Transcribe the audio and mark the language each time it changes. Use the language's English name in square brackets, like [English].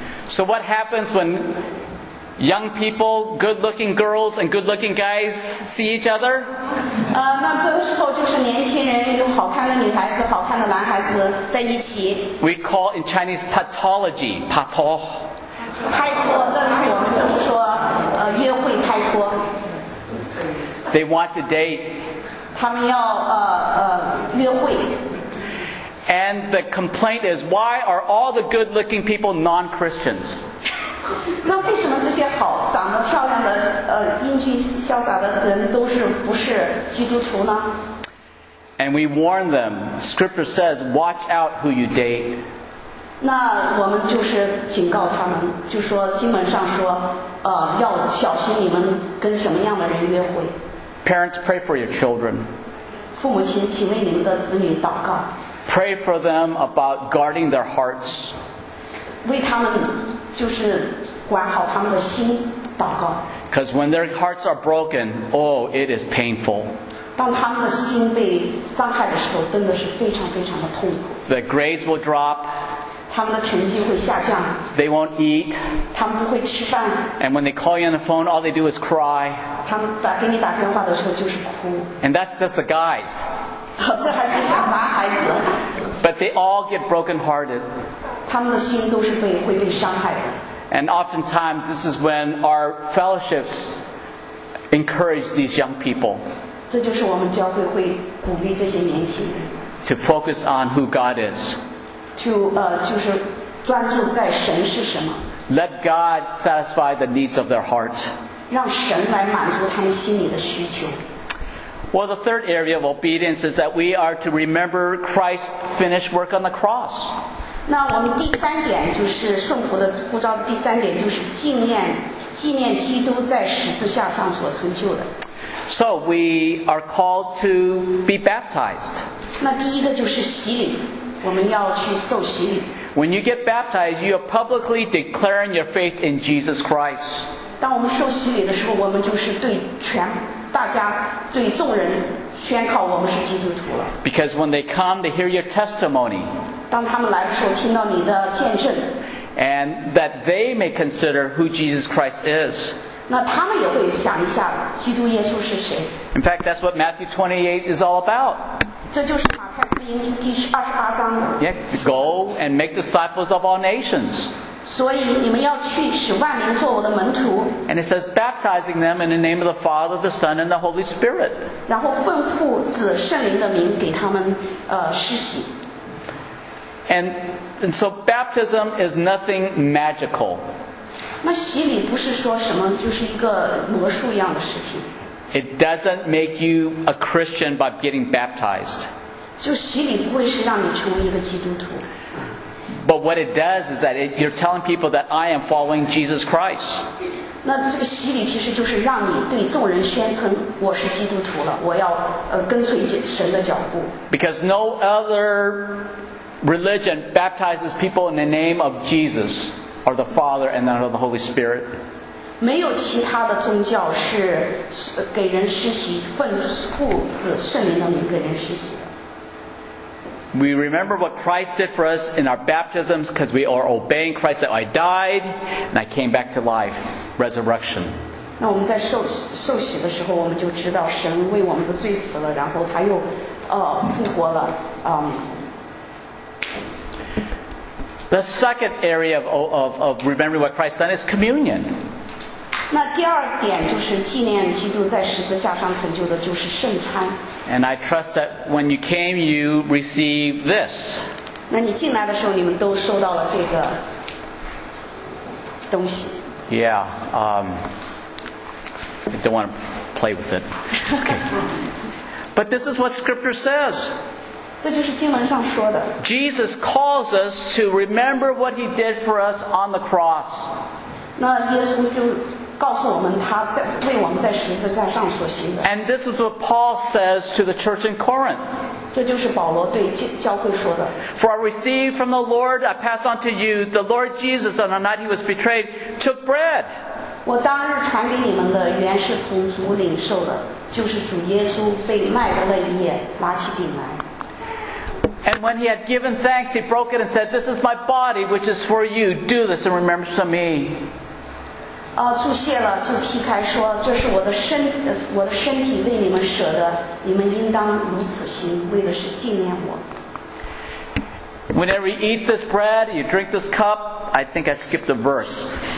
[English] So what happens when young people, good-looking girls and good-looking guys see each other? [Chinese] 那这个时候就是年轻人有好看的女孩子、好看的男孩子在一起。 [English] We call in Chinese patology, 拍拖。 [Chinese] 拍拖，那里我们就是说，约会拍拖。 [English] They want to date. [Chinese] 他们要约会。 [English] And the complaint is, why are all the good-looking people non-Christians? [Chinese] 那为什么这些好长得漂亮的英俊潇洒的人都是不是基督徒呢？ [English] And we warn them. Scripture says, watch out who you date. [Chinese] 那我们就是警告他们，就说经文上说，要小心你们跟什么样的人约会。 [English] Parents, pray for your children. [Chinese] 父母亲，请为你们的子女祷告。 [English] Pray for them about guarding their hearts. [Chinese] 为他们就是管好他们的心祷告。 [English] Because when their hearts are broken, oh, it is painful. [Chinese] 当他们的心被伤害的时候，真的是非常非常的痛苦。 [English] The grades will drop. [Chinese] 他们的成绩会下降。 [English] They won't eat. [Chinese] 他们不会吃饭。 [English] And when they call you on the phone, all they do is cry. [Chinese] 他们打给你打电话的时候就是哭。 [English] And that's just the guys. [Chinese] 这还是小男孩子。 [English] But they all get brokenhearted. [Chinese] 他们的心都是会被伤害的。 [English] And oftentimes, this is when our fellowships encourage these young people. [Chinese] 这就是我们教会会鼓励这些年轻人。 [English] To focus on who God is. [Chinese] 就是专注在神是什么。 [English] Let God satisfy the needs of their heart. [Chinese] 让神来满足他们心里的需求。 [English] Well, the third area of obedience is that we are to remember Christ's finished work on the cross. [Chinese] 那我们第三点就是顺服的呼召的第三点就是纪念基督在十字架上所成就的。 [English] So we are called to be baptized. [Chinese] 那第一个就是洗礼，我们要去受洗礼。 [English] When you get baptized, you are publicly declaring your faith in Jesus Christ. [Chinese] 当我们受洗礼的时候，我们就是对全大家对众人宣告我们是基督徒了。 [English] Because when they come, they hear your testimony. [Chinese] 当他们来的时候，听到你的见证。 [English] And that they may consider who Jesus Christ is. [Chinese] 那他们也会想一下基督耶稣是谁。 [English] In fact, that's what Matthew 28 is all about. [Chinese] 这就是马太福音第28章。 [English] Yeah, go and make disciples of all nations. [Chinese] 所以你们要去使万民做我的门徒。 [English] And it says baptizing them in the name of the Father, the Son, and the Holy Spirit. [Chinese] 然后奉父子圣灵的名给他们施洗。 [English] And so baptism is nothing magical. [Chinese] 那洗礼不是说什么就是一个魔术一样的事情。 [English] It doesn't make you a Christian by getting baptized. [Chinese] 就洗礼不会是让你成为一个基督徒。 [English] But what it does is that you're telling people that I am following Jesus Christ. [Chinese] 那这个洗礼其实就是让你对众人宣称我是基督徒了，我要跟随神的脚步。 [English] Because no other religion baptizes people in the name of Jesus or the Father and of the Holy Spirit. [Chinese] 没有其他的宗教是给人施洗奉父子圣灵的名给人施洗。 [English] We remember what Christ did for us in our baptisms because we are obeying Christ that I died and I came back to life, resurrection. [Chinese] 那我们在受洗的时候，我们就知道神为我们的罪死了，然后他又复活了。 [English] The second area of remembering what Christ done is communion. [Chinese] 那第二点就是纪念基督在十字架上成就的，就是圣餐。 [English] And I trust that when you came, you received this. [Chinese] 那你进来的时候，你们都收到了这个东西。 [English] Yeah, I don't want to play with it. Okay. But this is what Scripture says. [Chinese] 这就是经文上说的。 [English] Jesus calls us to remember what He did for us on the cross. [Chinese] 那耶稣就告诉我们他在为我们在十字架上所行的。 [English] And this is what Paul says to the church in Corinth. [Chinese] 这就是保罗对教会说的。 [English] For I received from the Lord, I pass on to you, the Lord Jesus, on the night he was betrayed, took bread. [Chinese] 我当日传给你们的原是从主领受的，就是主耶稣被卖的那一夜，拿起饼来。 [English] And when he had given thanks, he broke it and said, This is my body, which is for you. Do this in remembrance of me. [Chinese] 祝谢了就劈开说，这是我的身体，我的身体为你们舍的，你们应当如此行，为的是纪念我。 [English] Whenever you eat this bread, you drink this cup, I think I skipped a verse.